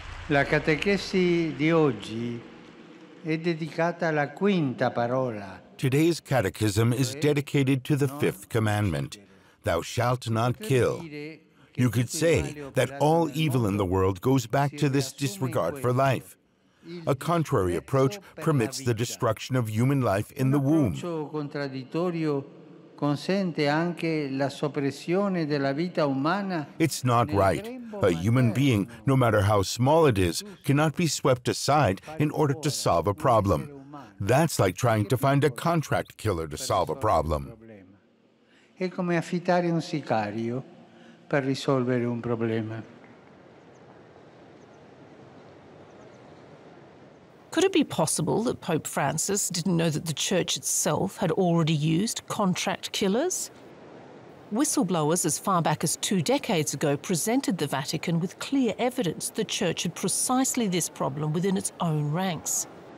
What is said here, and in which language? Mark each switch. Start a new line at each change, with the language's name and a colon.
Italian: La catechesi di oggi è dedicata alla quinta parola.
English: Today's catechism is dedicated to the fifth commandment, "Thou shalt not kill." You could say that all evil in the world goes back to this disregard for life. A contrary approach permits the destruction of human life in the womb.
Italian: Un approccio contraddittorio consente anche la soppressione della vita umana.
English: It's not right. A human being, no matter how small it is, cannot be swept aside in order to solve a problem. That's like trying to find a contract killer to solve a problem.
Italian: È come affittare un sicario per risolvere un problema.
English: Could it be possible that Pope Francis didn't know that the Church itself had already used contract killers? Whistleblowers as far back as two decades ago presented the Vatican with clear evidence the Church had precisely this problem within its own ranks.